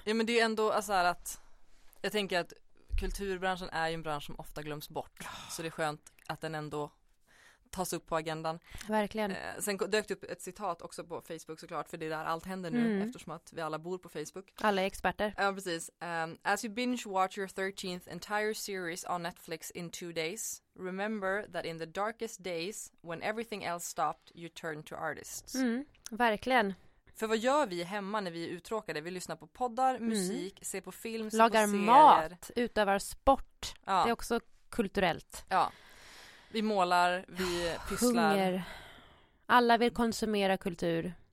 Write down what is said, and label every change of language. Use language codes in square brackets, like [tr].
[sv] Ja, men det är ju ändå så här att, jag tänker att kulturbranschen är ju en bransch som ofta glöms bort. Så det är skönt att den ändå tas upp på agendan. Verkligen. Sen dök upp ett citat också på Facebook såklart, för det är där allt händer nu eftersom att vi alla bor på Facebook. Alla är experter. Ja, precis. [en] As you binge watch your 13th entire series on Netflix in 2 days, remember that in the darkest days when everything else stopped, you turned to artists. [sv] Mm, verkligen. För vad gör vi hemma när vi är uttråkade? Vi lyssnar på poddar, musik, ser på film, lagar på mat, utövar sport. Ja. Det är också kulturellt. Ja. Vi målar, vi pysslar. Hunger. Alla vill konsumera kultur.